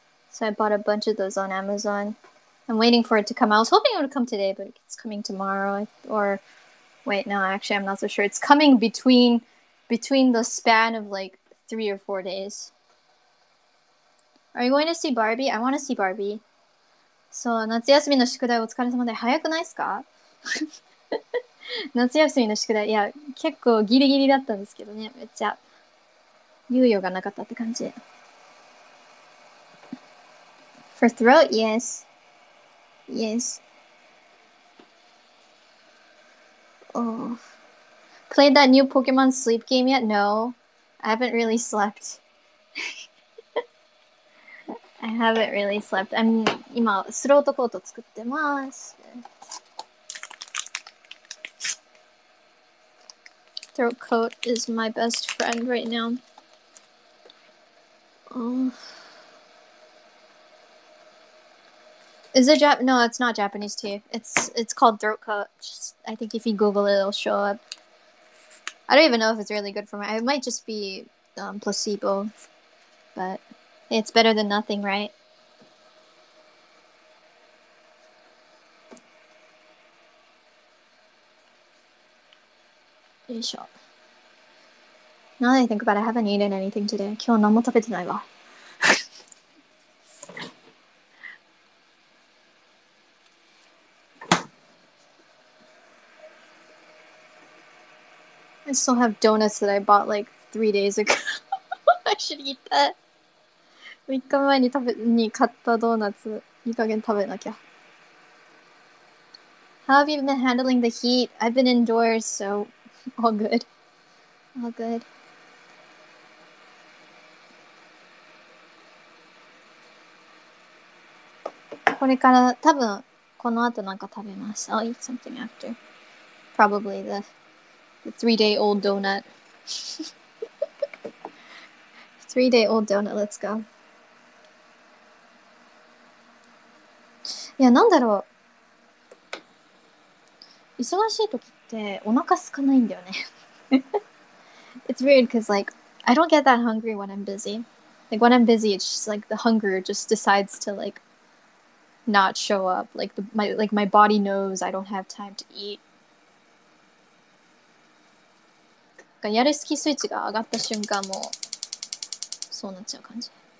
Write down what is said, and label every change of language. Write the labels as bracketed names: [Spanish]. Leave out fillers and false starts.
[English] So I bought a bunch of those on Amazon. I'm waiting for it to come. I was hoping it would come today, but it's coming tomorrow. I'm not so sure. It's coming between the span of like 3 or 4 days. Are you going to see Barbie? I want to see Barbie. [Japanese] So, 夏休みの宿題お疲れ様で早くないですか?夏休みの宿題、 いや、結構ギリギリだったんですけどね。めっちゃ猶予がなかったって感じ。 [English] For throat, yes. Yes. Oh. Played that new Pokemon sleep game yet? No. I haven't really slept. I haven't really slept. I'm [Japanese] 今スロートコート作ってます。 [English] Throat coat is my best friend right now. Is it Jap? No, it's not Japanese tea. It's called throat coat. Just, I think if you Google it, it'll show up. I don't even know if it's really good for me. It might just be placebo, but it's better than nothing, right? [Japanese] よいしょ。 [English] Now that I think about it, I haven't eaten anything today. [Japanese] 今日何も食べてないわ。 [English] I still have donuts that I bought like 3 days ago. I should eat that. [Japanese] 3日前に食べに買ったドーナツ、いい加減食べなきゃ。 [English] How have you been handling the heat? I've been indoors, so all good. All good. [Japanese] これから多分この後なんか食べます。 [English] I'll eat something after. Probably the 3 day old donut. 3 day old donut, let's go. [Japanese] いや、なんだろう。忙しい時ってお腹空かないんだよね。 [English] It's weird because like, I don't get that hungry when I'm busy. Like when I'm busy, it's just like the hunger just decides to like,not show up like the, my like my body knows I don't have time to eat. [Japanese] やる気スイッチが上がった瞬間もそうなっちゃう感じ。